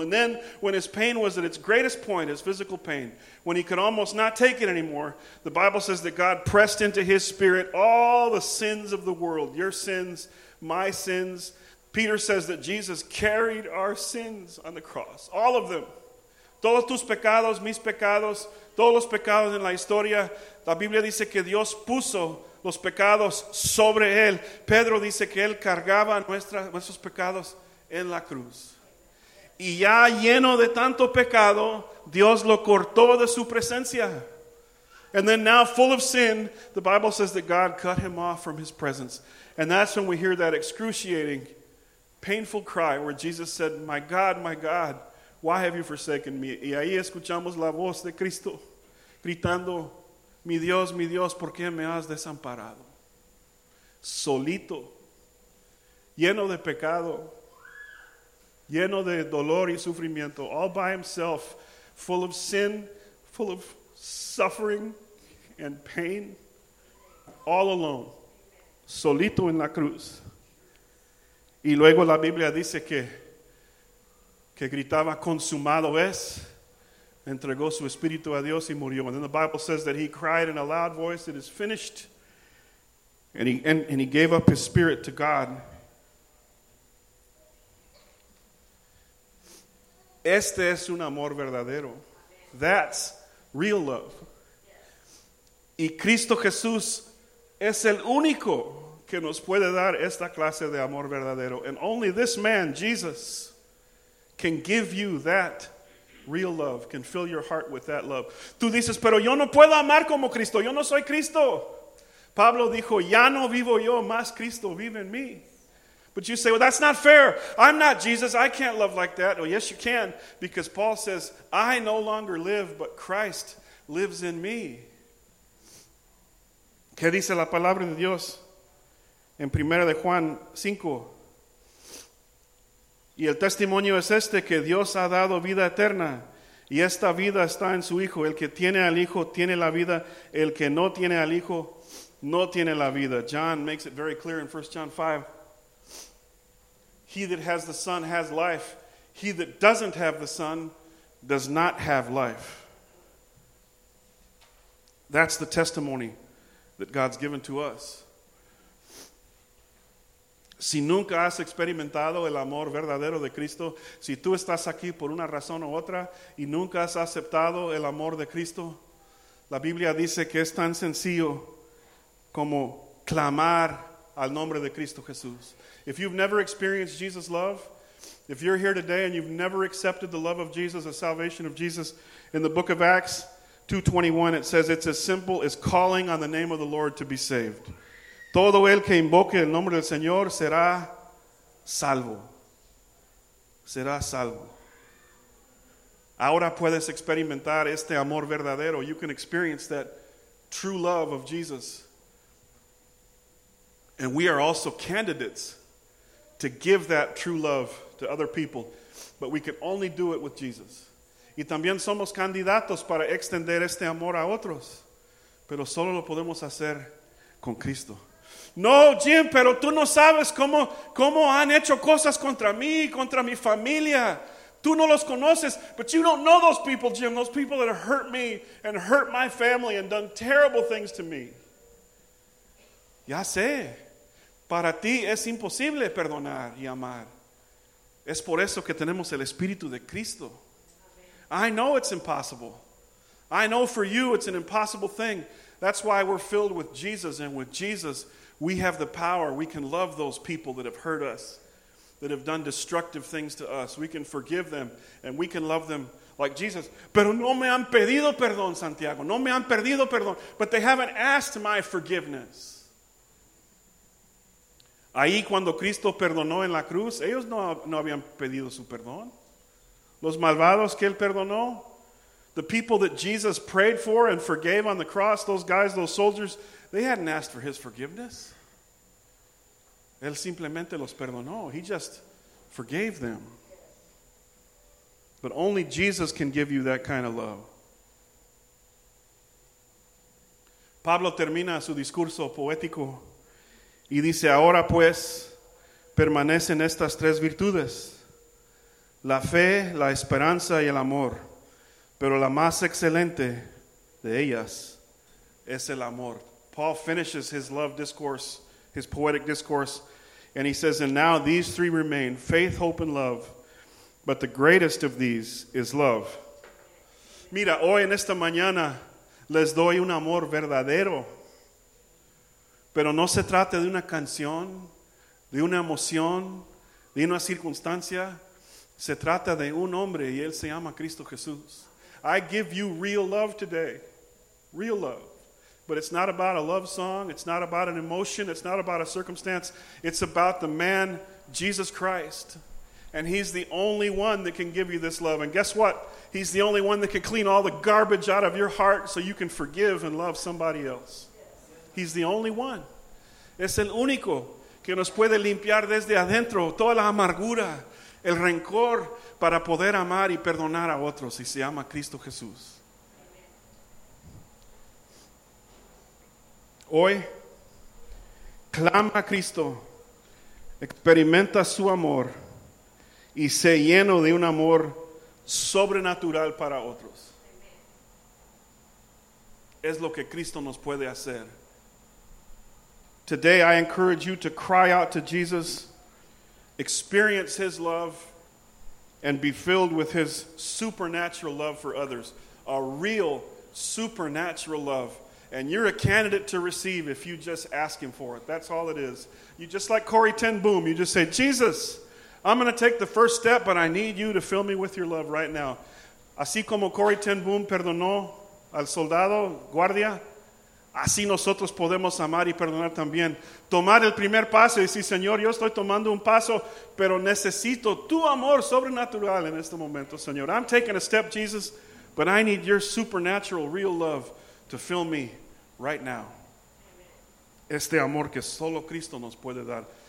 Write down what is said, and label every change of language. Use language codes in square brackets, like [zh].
[en] And then, when his pain was at its greatest point, his physical pain, when he could almost not take it anymore, the Bible says that God pressed into his spirit all the sins of the world, your sins, my sins. Peter says that Jesus carried our sins on the cross, all of them. [es] Todos tus pecados, mis pecados, todos los pecados en la historia. La Biblia dice que Dios puso los pecados sobre él. Pedro dice que él cargaba nuestros pecados en la cruz. Y ya lleno de tanto pecado, Dios lo cortó de su presencia. [en] And then now full of sin, the Bible says that God cut him off from his presence. And that's when we hear that excruciating, painful cry where Jesus said, my God, why have you forsaken me? [es] Y ahí escuchamos la voz de Cristo gritando, mi Dios, ¿por qué me has desamparado? Solito, lleno de pecado, lleno de dolor y sufrimiento, [en] all by himself, full of sin, full of suffering and pain, all alone, [es] solito en la cruz. Y luego la Biblia dice que gritaba, consumado es. Entregó su espíritu a Dios y murió. [en] And then the Bible says that he cried in a loud voice, it is finished. And he gave up his spirit to God. [es] Este es un amor verdadero. [en] That's real love. [es] Y Cristo Jesús es el único que nos puede dar esta clase de amor verdadero. [en] And only this man, Jesus, can give you that real love, can fill your heart with that love. [es] Tú dices, pero yo no puedo amar como Cristo. Yo no soy Cristo. Pablo dijo, ya no vivo yo, más Cristo vive en mí. [en] But you say, well, that's not fair. I'm not Jesus. I can't love like that. Well, yes, you can, because Paul says, I no longer live, but Christ lives in me. [es] ¿Qué dice la palabra de Dios? En Primera de Juan 5. Y el testimonio es este, que Dios ha dado vida eterna, y esta vida está en su Hijo. El que tiene al Hijo tiene la vida, el que no tiene al Hijo no tiene la vida. [en] John makes it very clear in 1 John 5. He that has the Son has life. He that doesn't have the Son does not have life. That's the testimony that God's given to us. [es] Si nunca has experimentado el amor verdadero de Cristo, si tú estás aquí por una razón u otra y nunca has aceptado el amor de Cristo, la Biblia dice que es tan sencillo como clamar al nombre de Cristo Jesús. [en] If you've never experienced Jesus' love, if you're here today and you've never accepted the love of Jesus, the salvation of Jesus, in the book of Acts 2:21, it says it's as simple as calling on the name of the Lord to be saved. [es] Todo el que invoque el nombre del Señor será salvo. Será salvo. Ahora puedes experimentar este amor verdadero. [en] You can experience that true love of Jesus. And we are also candidates to give that true love to other people. But we can only do it with Jesus. [es] Y también somos candidatos para extender este amor a otros. Pero solo lo podemos hacer con Cristo. No, Jim, pero tú no sabes cómo han hecho cosas contra mí, contra mi familia. Tú no los conoces, [en] but you don't know those people, Jim. Those people that have hurt me and hurt my family and done terrible things to me. [es] Ya sé, para ti es imposible perdonar y amar. Es por eso que tenemos el Espíritu de Cristo. [en] I know it's impossible. I know for you it's an impossible thing. That's why we're filled with Jesus, and with Jesus we have the power. We can love those people that have hurt us, that have done destructive things to us. We can forgive them, and we can love them like Jesus. [es] Pero no me han pedido perdón, Santiago. No me han pedido perdón. [en] But they haven't asked my forgiveness. [es] Ahí cuando Cristo perdonó en la cruz, ellos no habían pedido su perdón. Los malvados que él perdonó, [en] the people that Jesus prayed for and forgave on the cross, those guys, those soldiers, they hadn't asked for his forgiveness. [es] Él simplemente los perdonó. [en] He just forgave them. But only Jesus can give you that kind of love. [es] Pablo termina su discurso poético y dice, ahora pues, permanecen estas tres virtudes, la fe, la esperanza y el amor. Pero la más excelente de ellas es el amor. [en] Paul finishes his love discourse, his poetic discourse, and he says, and now these three remain, faith, hope, and love, but the greatest of these is love. [es] Mira, hoy en esta mañana les doy un amor verdadero, pero no se trata de una canción, de una emoción, de una circunstancia, se trata de un hombre, y él se llama Cristo Jesús. [en] I give you real love today, real love. But it's not about a love song. It's not about an emotion. It's not about a circumstance. It's about the man, Jesus Christ. And he's the only one that can give you this love. And guess what? He's the only one that can clean all the garbage out of your heart so you can forgive and love somebody else. He's the only one. [es] Es el único que nos puede limpiar desde adentro toda la amargura, el rencor, para poder amar y perdonar a otros. Y se llama Cristo Jesús. Hoy, clama a Cristo, experimenta su amor y sé lleno de un amor sobrenatural para otros. Es lo que Cristo nos puede hacer. [en] Today, I encourage you to cry out to Jesus, experience his love, and be filled with his supernatural love for others, a real supernatural love. And you're a candidate to receive if you just ask him for it. That's all it is. You just like Corrie Ten Boom, you just say, Jesus, I'm going to take the first step, but I need you to fill me with your love right now. [es] Así como Corrie Ten Boom perdonó al soldado, guardia, así nosotros podemos amar y perdonar también. Tomar el primer paso y decir, Señor, yo estoy tomando un paso, pero necesito tu amor sobrenatural en este momento, Señor. [en] I'm taking a step, Jesus, but I need your supernatural, real love to fill me right now. [es] Este amor que solo Cristo nos puede dar.